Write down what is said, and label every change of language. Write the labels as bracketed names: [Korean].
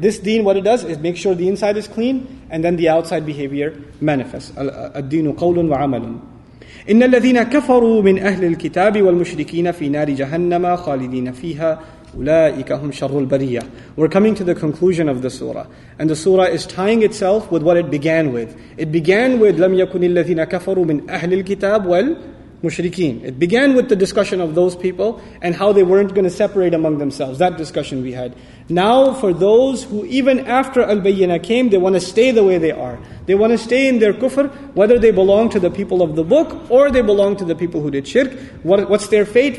[English] This deen, what it does, is make sure the inside is clean, and then the outside behavior manifests. [Arabic] Ad-deenu qawlun wa amalun. إِنَّ الَّذِينَ كَفَرُوا مِنْ أَهْلِ الْكِتَابِ وَالْمُشْرِكِينَ فِي نَارِ جَهَنَّمَا خَالِدِينَ فِيهَا أُولَٰئِكَ هُمْ شَرُّ الْبَرِيَّةِ. [English] We're coming to the conclusion of the surah. And the surah is tying itself with what it began with. It began with [Arabic] لَمْ يَكُنِ الَّذِينَ كَفَرُوا مِنْ أَهْلِ الْكِتَابِ وَالْمُشْرِكِينَ. [English] It began with the discussion of those people and how they weren't going to separate among themselves. That discussion we had. Now for those who even after Al-Bayyinah came, they want to stay the way they are. They want to stay in their kufr, whether they belong to the people of the book or they belong to the people who did shirk. What's their fate?